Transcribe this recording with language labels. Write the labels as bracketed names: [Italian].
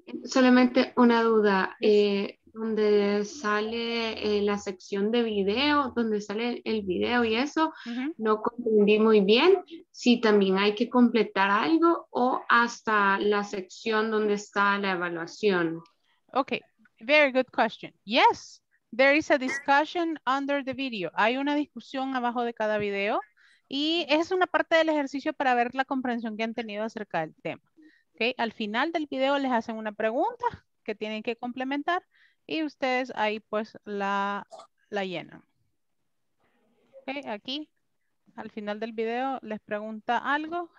[Spanish] Solamente una duda. Donde sale la sección de video, donde sale el video y eso, no comprendí muy bien si también hay que completar algo o hasta la sección donde está la evaluación. [English] Okay, very good question. Yes, there is a discussion under the video. [Spanish] Hay una discusión abajo de cada video. Y esa es una parte del ejercicio para ver la comprensión que han tenido acerca del tema. ¿Okay? Al final del video les hacen una pregunta que tienen que complementar y ustedes ahí pues la llenan. ¿Okay? Aquí, al final del video, les pregunta algo.